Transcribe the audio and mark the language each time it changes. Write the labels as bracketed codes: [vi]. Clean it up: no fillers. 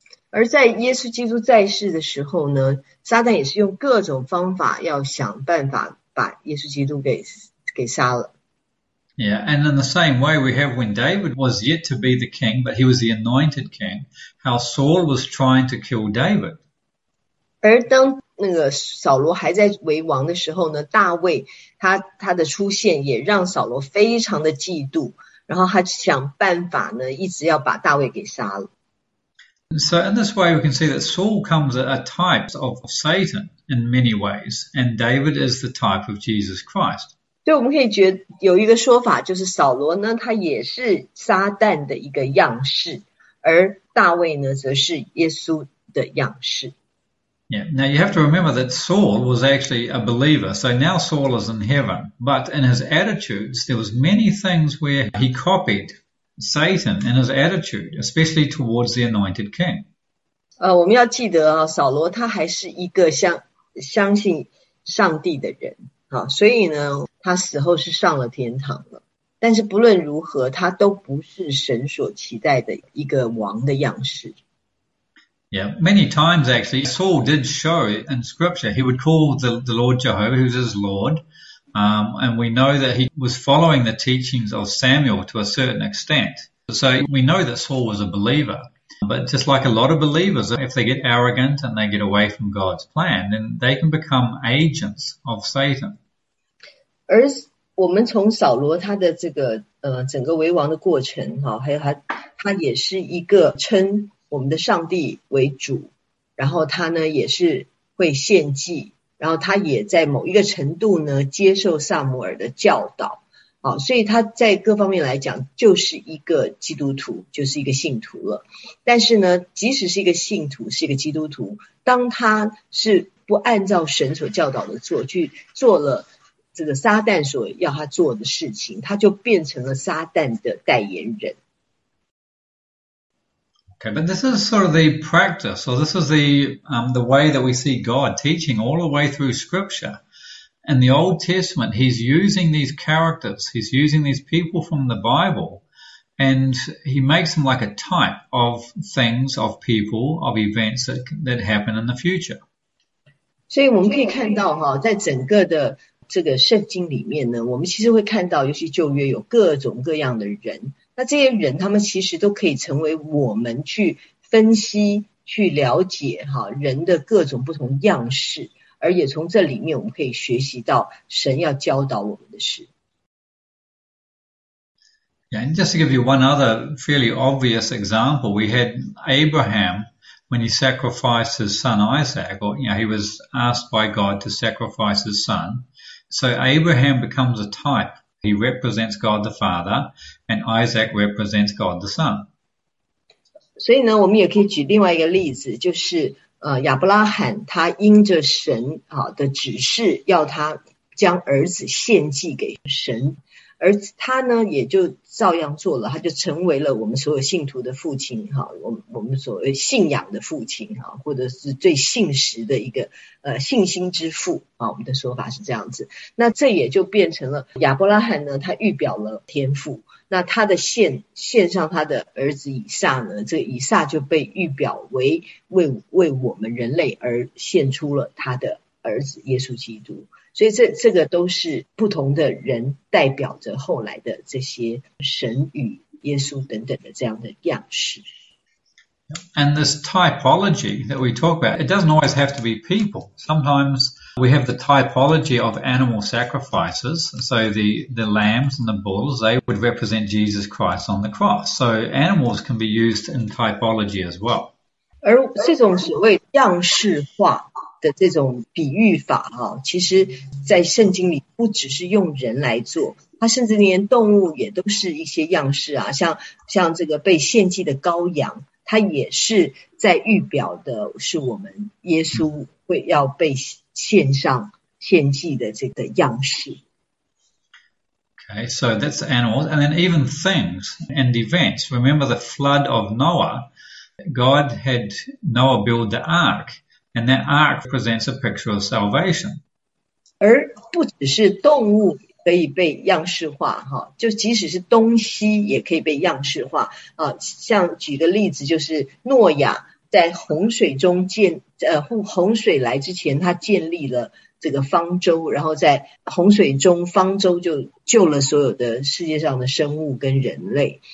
[zh] 而在耶稣基督在世的时候呢，撒旦也是用各种方法要想办法把耶稣基督给杀了。 [en] Yeah, and in the same way we have when David was yet to be the king, but he was the anointed king, how Saul was trying to kill David. [zh] 而当那个扫罗还在为王的时候呢，大卫他的出现也让扫罗非常的嫉妒，然后他想办法呢，一直要把大卫给杀了。 [en] So in this way, we can see that Saul comes a type of Satan in many ways, and David is the type of Jesus Christ. [zh] 对，我们可以觉得有一个说法，就是扫罗呢，他也是撒旦的一个样式，而大卫呢，则是耶稣的样式。 [en] Yeah. Now you have to remember that Saul was actually a believer. So now Saul is in heaven. But in his attitudes, there was many things where he copied Satan in his attitude, especially towards the anointed king. [zh] 我们要记得啊，扫罗他还是一个相信上帝的人、啊、所以呢他死后是上了天堂了，但是不论如何他都不是神所期待的一个王的样式。 [en] Yeah, many times actually Saul did show in scripture he would call the Lord Jehovah, who's his Lord, and we know that he was following the teachings of Samuel to a certain extent. So we know that Saul was a believer, but just like a lot of believers, if they get arrogant and they get away from God's plan, then they can become agents of Satan. [zh] 而我们从扫罗他的这个整个为王的过程哈，还有他也是一个称我们的上帝为主，然后他呢也是会献祭，然后他也在某一个程度呢接受撒母耳的教导，好，所以他在各方面来讲就是一个基督徒，就是一个信徒了。但是呢，即使是一个信徒，是一个基督徒，当他是不按照神所教导的做，去做了这个撒旦所要他做的事情，他就变成了撒旦的代言人。 [en] Okay, but this is sort of the practice, or this is the way that we see God teaching all the way through Scripture. In the Old Testament, he's using these characters, he's using these people from the Bible, and he makes them like a type of things, of people, of events that happen in the future. [zh] 所以我们可以看到哈，在整个的这个圣经里面呢，我们其实会看到，尤其旧约有各种各样的人。那这些人他们其实都可以成为我们去分析去了解哈人的各种不同样式，而也从这里面我们可以学习到神要教导我们的事。 [en] Yeah, and just to give you one other fairly obvious example, we had Abraham when he sacrificed his son Isaac, or you know, he was asked by God to sacrifice his son. So Abraham becomes a typeHe represents God the Father, and Isaac represents God the Son. [zh] 所以呢，我们也可以举另外一个例子，就是亚伯拉罕他因着神啊的指示，要他将儿子献祭给神，而他呢也就照样做了，他就成为了我们所有信徒的父亲哈，我们所谓信仰的父亲哈，或者是最信实的一个信心之父啊，我们的说法是这样子。那这也就变成了亚伯拉罕呢，他预表了天父，那他的献上他的儿子以撒呢，这个以撒就被预表为为我们人类而献出了他的儿子耶稣基督。所以这个都是不同的人代表着后来的这些神与耶稣等等的这样的样式。 [en] And this typology that we talk about, it doesn't always have to be people. Sometimes we have the typology of animal sacrifices. So the lambs and the bulls, they would represent Jesus Christ on the cross. So animals can be used in typology as well. [zh] 而这种所谓样式化的这种比喻法啊，其实在圣经里不只是用人来做，它甚至连动物也都是一些样式啊，像这个被献祭的羔羊，它也是在预表的是我们耶稣会要被献上献祭的这个样式。 [en] Okay, so that's animals, and then even things and events. Remember the flood of Noah? God had Noah build the ark. And that ark presents a picture of salvation. [zh] 而不只是动物可以被样式化，就即使是东西也可以被样式化。像举个例子，就是诺亚在洪水中洪水来之前，他建立了这个方舟，然后在洪水中方舟就救了所有的世界上的生物跟人类。